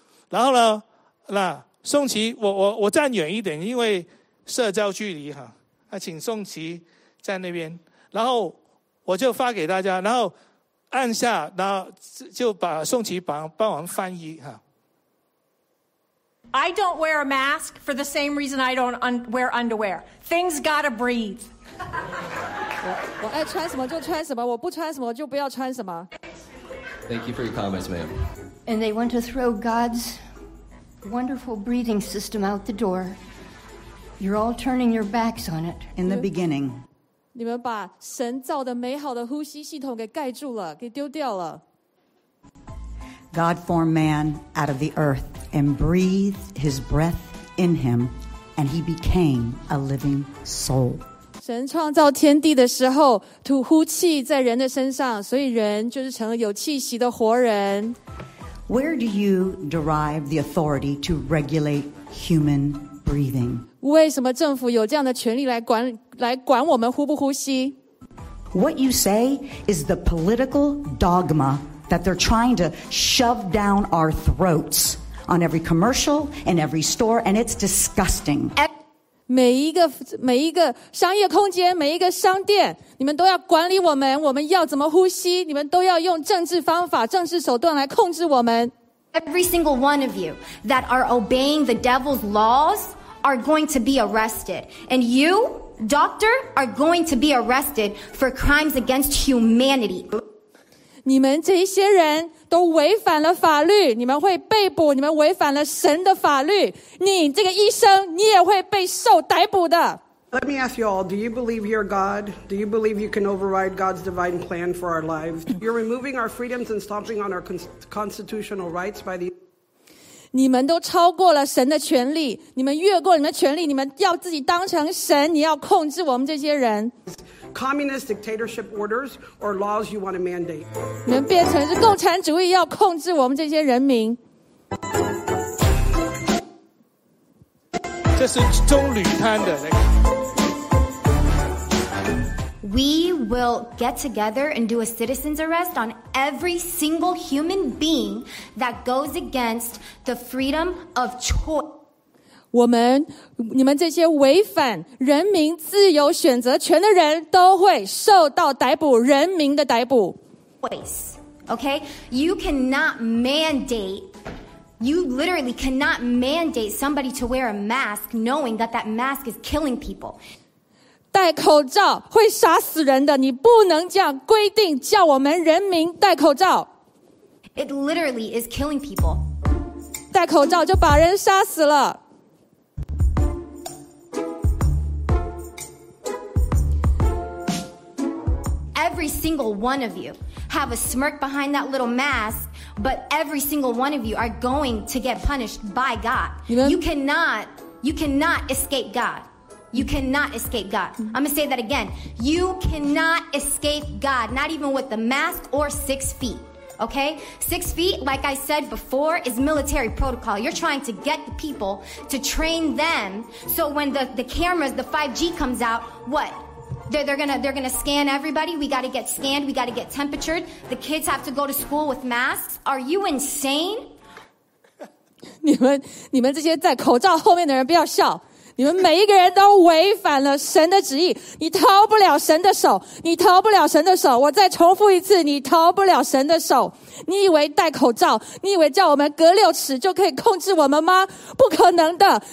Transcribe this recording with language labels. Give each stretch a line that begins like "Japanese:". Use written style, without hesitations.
Chinese: 然后呢那宋琪我站远一点，因为社交距离哈，请宋琪在那边。然后我就发给大家，然后按下，然后就把宋琦帮我们翻译哈。
English: I don't wear a mask for the same reason I don't wear underwear. Things gotta breathe.
Chinese: 我爱穿什么就穿什么，我不穿什么就不要穿什么。
English: Thank you for your comments, ma'am. And they want to throw God's wonderful breathing system out the door. You're all turning your backs on it in the beginning.
Chinese: 你们把神造的美好的呼吸系统给盖住了，给丢掉了。
English: God formed man out of the earth and breathed his breath in him, and he became a living soul.
Chinese: 神创造天地的时候，吐呼气在人的身上，所以人就是成了有气息的活人。
English: Where do you derive the authority to regulate human breathing?
Chinese: 为什么政府有这样的权利来管我们呼不呼吸？
English: What you say is the political dogma. That they're trying to shove down our throats on every commercial and every store, and it's disgusting.
Chinese: 每一个商业空间，每一个商店，你们都要管理我们，我们要怎么呼吸，你们都要用政治方法、政治手段来控制我们。
English: Every single one of you that are obeying the devil's laws are going to be arrested, and you, doctor, are going to be arrested for crimes against humanity.
Chinese: 你们这些人都违反了法律，你们会被捕，你们违反了神的法律。你这个医生，你也会被受逮捕的。
English: Let me ask you all, do you believe you're God? Do you believe you can override God's divine plan for our lives? You're removing our freedoms and stomping on our constitutional rights by the...
Chinese: 你们都超过了神的权利，你们越过你们的权利，你们要自己当成神，你要控制我们这些人。
English: Communist dictatorship orders or laws you want to mandate.
Chinese: 你们变成是共产主义要控制我们这些人民。这是棕榈滩的那个。
English: We will get together and do a citizen's arrest on every single human being that goes against the freedom of choice.
Chinese: 我们，你们这些违反人民自由选择权的人都会受到逮捕，人民的逮捕。
English: Okay, you cannot mandate, you literally cannot mandate somebody to wear a mask knowing that that mask is killing people.
Chinese: 戴口罩会杀死人的，你不能这样规定叫我们人民戴口罩。
English: It literally is killing people.
Chinese: 戴口罩就把人杀死了。
English: Every single one of you have a smirk behind that little mask, but every single one of you are going to get punished by God. You cannot escape God. You cannot escape God. I'm going to say that again. You cannot escape God, not even with the mask or 6 feet. Okay? 6 feet, like I said before, is military protocol. You're trying to get the people to train them so when the cameras, the 5G comes out, what? They're gonna scan everybody. We gotta get scanned. We gotta get temperatured. The kids have to go to school with masks. Are you insane?
Chinese: 你们这些在口罩后面的人不要笑。你们每一个人都违反了神的旨意。你逃不了神的手。你逃不了神的手。我再重复一次，你逃不了神的手。你以为戴口罩，你以为叫我们隔六尺就可以控制我们吗？不可能的。